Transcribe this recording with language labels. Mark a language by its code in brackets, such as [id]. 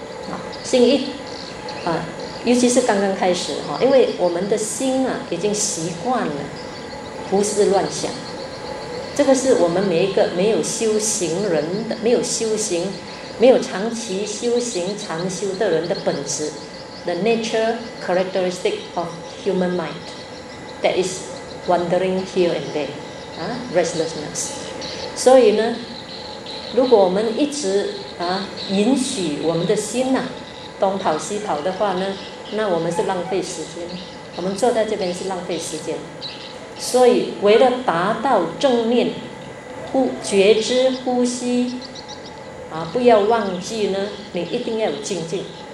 [zh] 啊，心一啊，尤其是刚刚开始哈，因为我们的心啊已经习惯了。胡思乱想，这个是我们每一个没有修行人的，没有修行，没有长期修行禅修的人的本质。 [en] The nature characteristic of human mind that is wandering here and there, restlessness. [zh] 所以呢，如果我们一直啊允许我们的心呐、啊、东跑西跑的话呢，那我们是浪费时间，我们坐在这边是浪费时间。所以为了达到正念觉知呼吸啊，不要忘记呢，你一定要有精进。